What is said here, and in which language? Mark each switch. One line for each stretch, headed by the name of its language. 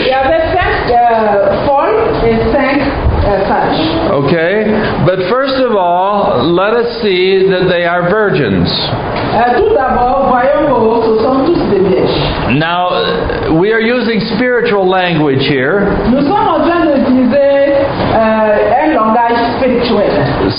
French: Il y avait 5 folles et 5 sages.
English: Okay, but first of all, let us see that they are virgins.
French: Tout d'abord, voyons que ce sont tous des vierges.
English: Now, we are using spiritual language here.
French: Nous sommes en train d'utiliser un langage spirituel.